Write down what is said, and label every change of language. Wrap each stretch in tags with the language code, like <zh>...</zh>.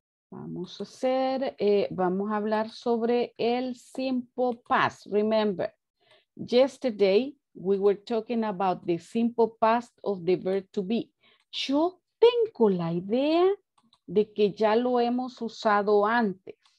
<es>Vamos a hacer, vamos a hablar sobre el simple past.</es> <en>Remember, yesterday we were talking about the simple past of the verb to be.</en> <es>Yo tengo la idea de que ya lo hemos usado antes.</es>